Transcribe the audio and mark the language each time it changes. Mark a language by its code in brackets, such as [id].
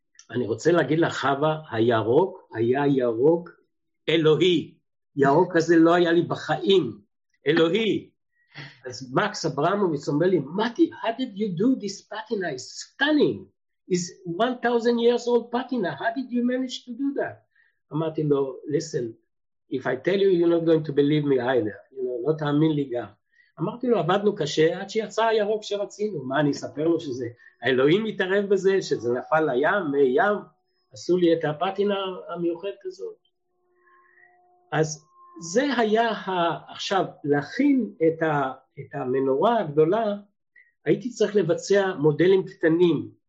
[he] אני רוצה להגיד לך, חווה, הירוק היה ירוק אלוהי. ירוק הזה לא היה לי בחיים. אלוהי. אז מקס אברמוביץ אומר לי, מתי, [en] how did you do this patina? It's stunning. It's 1,000 years old patina. How did you manage to do that? [he] אמרתי לו, [en] listen, if I tell you, you're not going to believe me either. You know, [he] לא תאמין לי גם. אמרתי לו, עבדנו קשה עד שיצא הירוק שרצינו. מה, אני אספר לו שזה, האלוהים מתערב בזה, שזה נפל לים, מים, עשו לי את הפטינה המיוחדת הזאת. אז זה היה, עכשיו, להכין את המנורה הגדולה, הייתי צריך לבצע מודלים קטנים.